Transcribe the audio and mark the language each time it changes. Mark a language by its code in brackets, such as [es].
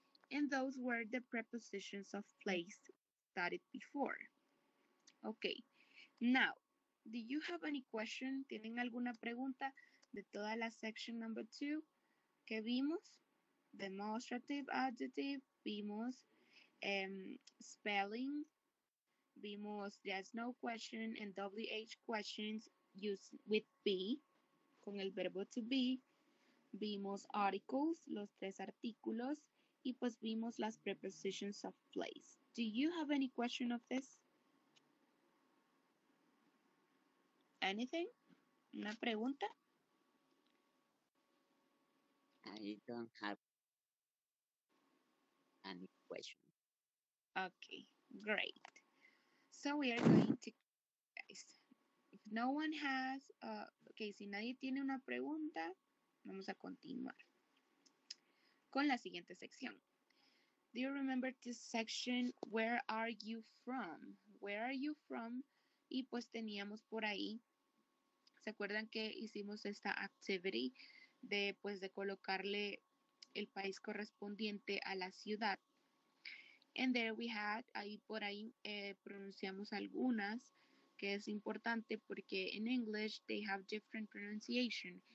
[en] And those were the prepositions of place studied before. Okay. Now, do you have any question? [es] ¿Tienen alguna pregunta de toda la [en] section number two [es] que vimos? [en] Demonstrative adjective, vimos spelling, vimos yes, no question, and WH questions used with be, [es] con el verbo [en] to be. [es] Vimos articles, los tres artículos. Y pues vimos las [en] prepositions of place. Do you have any question of this? Anything? [es] ¿Una pregunta? [en] I don't have any question. Okay, great. So we are going to, guys, if no one has, [es] si nadie tiene una pregunta, vamos a continuar con la siguiente sección. [en] Do you remember this section, where are you from? Where are you from? [es] Y pues teníamos por ahí, ¿se acuerdan que hicimos esta activity de, pues, de colocarle el país correspondiente a la ciudad? [en] And there we had, [es] ahí por ahí pronunciamos algunas, que es importante porque [en] in English they have different pronunciation.